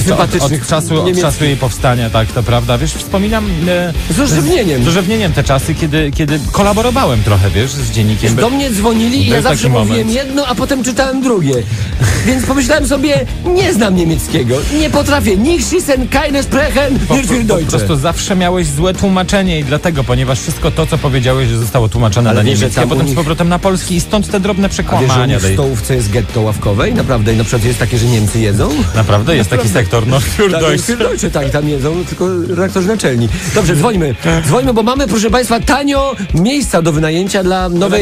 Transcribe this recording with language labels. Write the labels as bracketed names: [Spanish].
[Polish] sympatycznych. Od czasu jej powstania, tak, to prawda. Wiesz, wspominam... Z orzewnieniem. Z orzewnieniem te czasy, kiedy kolaborowałem trochę, wiesz, z dziennikiem. Do mnie dzwonili i ja zawsze mówiłem jedno, a potem czytałem drugie. Więc pomyślałem sobie, nie znam niemieckiego, nie potrafię. [German] Nicht schießen, keine sprechen, nicht für Deutsche. [Polish] Po prostu zawsze miałeś złe tłumaczenie i dlatego, ponieważ wszystko to, co powiedziałeś, zostało tłumaczone na niemieckie, a potem z powrotem na polski. I stąd te drobne przekłamania. A wiesz, w stołówce jest getto ławkowej? Naprawdę? I na przykład jest takie, że Niemcy jedzą? Naprawdę? Jest taki sektor? No, [German] für Deutsche. [Polish] Tak, tam jedzą, tylko redaktorzy naczelni. Dobrze, dzwońmy. Dzwońmy, bo mamy, proszę państwa, tanio miejsca do wynajęcia dla nowej...